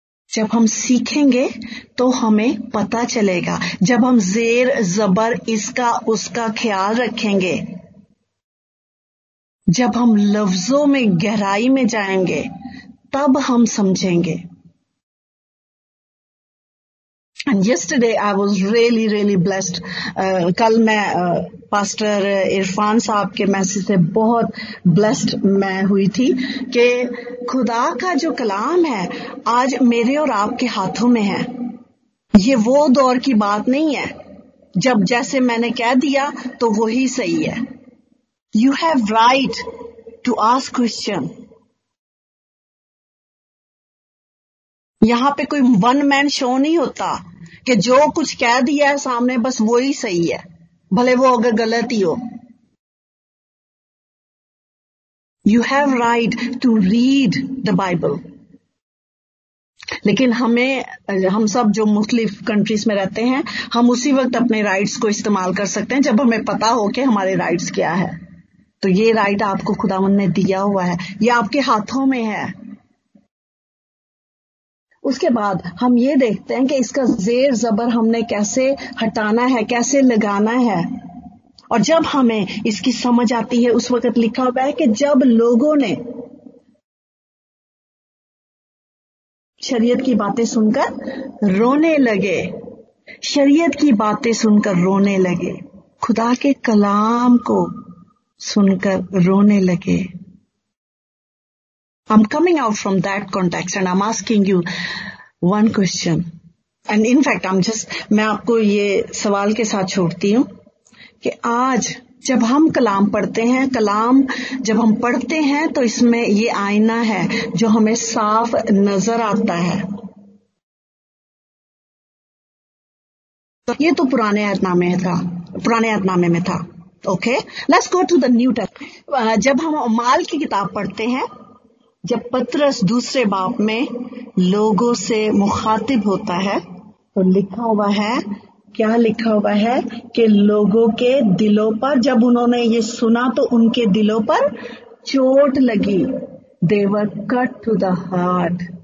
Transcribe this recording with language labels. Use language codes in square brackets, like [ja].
[ur] جب ہم سیکھیں گے تو ہمیں پتا چلے گا. جب ہم زیر زبر اس کا اس کا خیال رکھیں گے, جب ہم لفظوں میں گہرائی میں جائیں گے, تب ہم سمجھیں گے. [en] And yesterday I was really really blessed. [ur] کل میں پاسٹر عرفان صاحب کے میسج سے بہت blessed میں ہوئی تھی کہ خدا کا جو کلام ہے آج میرے اور آپ کے ہاتھوں میں ہے. یہ وہ دور کی بات نہیں ہے جب جیسے میں نے کہہ دیا تو وہی صحیح ہے. [en] You have right to ask question. [ur] یہاں پہ کوئی ون مین شو نہیں ہوتا کہ جو کچھ کہہ دیا ہے سامنے بس وہی صحیح ہے, بھلے وہ اگر غلط ہی ہو. [en] You have right to read the Bible. [ur] لیکن ہمیں, ہم سب جو مختلف کنٹریز میں رہتے ہیں, ہم اسی وقت اپنے رائٹس کو استعمال کر سکتے ہیں جب ہمیں پتا ہو کہ ہمارے رائٹس کیا ہے. تو یہ رائٹ آپ کو خداوند نے دیا ہوا ہے, یہ آپ کے ہاتھوں میں ہے. اس کے بعد ہم یہ دیکھتے ہیں کہ اس کا زیر زبر ہم نے کیسے ہٹانا ہے, کیسے لگانا ہے. اور جب ہمیں اس کی سمجھ آتی ہے, اس وقت لکھا ہوا ہے کہ جب لوگوں نے شریعت کی باتیں سن کر رونے لگے, شریعت کی باتیں سن کر رونے لگے, خدا کے کلام کو سن کر رونے لگے. [en] I'm coming out from that context and I'm asking you one question. And in fact, [ur] میں آپ کو یہ سوال کے ساتھ چھوڑتی ہوں کہ آج جب ہم کلام پڑھتے ہیں, کلام جب ہم پڑھتے ہیں تو اس میں یہ آئینہ ہے جو ہمیں صاف نظر آتا ہے. یہ تو پرانے عہد نامے میں تھا. [en] Okay, let's go to the new test. [ur] جب ہم اعمال کی کتاب پڑھتے ہیں, جب پترس دوسرے باب میں لوگوں سے مخاطب ہوتا ہے تو لکھا ہوا ہے, کیا لکھا ہوا ہے, کہ لوگوں کے دلوں پر جب انہوں نے یہ سنا تو ان کے دلوں پر چوٹ لگی. [en] They were cut to the heart.